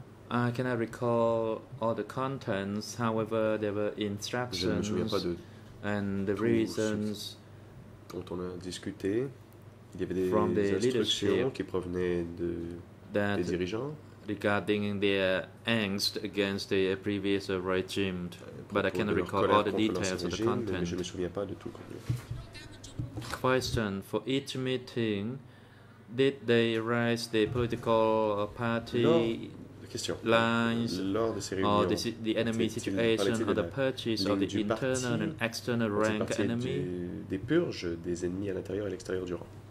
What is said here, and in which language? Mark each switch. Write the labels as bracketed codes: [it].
[en] I cannot recall all the contents, however, there were instructions and the reasons [fr] dont on a discuté. Il y avait des instructions qui provenaient des dirigeants. [en] Regarding their angst against the previous regime, but I cannot recall all the details of the content. [fr] Je me souviens pas de tout. [en] Question. For each meeting, did they raise the political party lines or the enemy situation or the purchase of the internal and external rank enemy? [fr] Des purges des ennemis à l'intérieur et l'extérieur du rang.